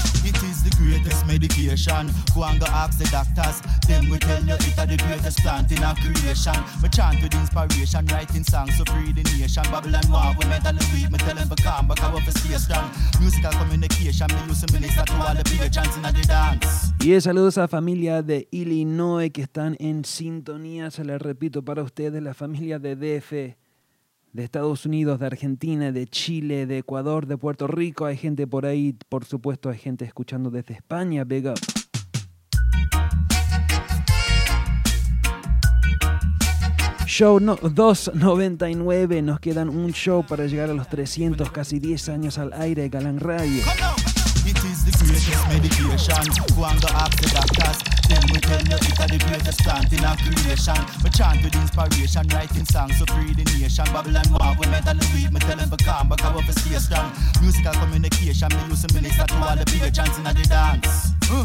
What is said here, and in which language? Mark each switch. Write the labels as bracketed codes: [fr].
[en] It is the greatest medication. Go and go ask the doctors. Them will tell you it's the greatest plant in our creation. Me chant with inspiration, writing songs to free the nation. Babylon want we mentally weak. Me tell them to come back up for space down. Musical communication. Me use a minister to all the bigger chants in the dance. [es] Y saludos a familia de Illinois que están en sintonía. Se les repito para ustedes, la familia de DF. De Estados Unidos, de Argentina, de Chile, de Ecuador, de Puerto Rico. Hay gente por ahí, por supuesto, hay gente escuchando desde España. [en] Big up. [es] Show 299. Nos quedan un show para llegar a los 300, casi 10 años al aire. Galán Radio. [en] Then we tell you it's the greatest plant in our creation. We chant with inspiration, writing songs to free the nation. Babylon want we mentally weak. Me tell them to come back up for space down. Musical communication. Me use a minister to all the bigger chants in the dance.